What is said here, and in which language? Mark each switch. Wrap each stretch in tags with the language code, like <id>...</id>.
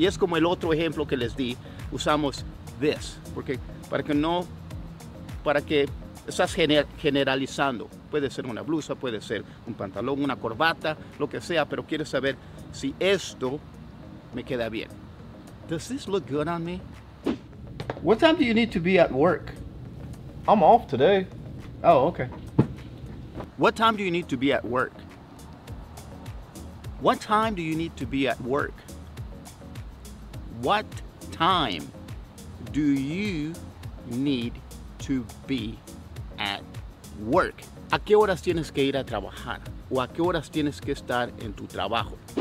<es>Y es como el otro ejemplo que les di, usamos this, porque para que estás generalizando. Puede ser una blusa, puede ser un pantalón, una corbata, lo que sea, pero quiero saber si esto me queda bien.</es> <en>Does this look good on me? What time do you need to be at work? I'm off today. Oh, okay. What time do you need to be at work? What time do you need to be at work? What time do you need to be at work?</en> <es>¿A qué horas tienes que ir a trabajar? ¿O a qué horas tienes que estar en tu trabajo?</es>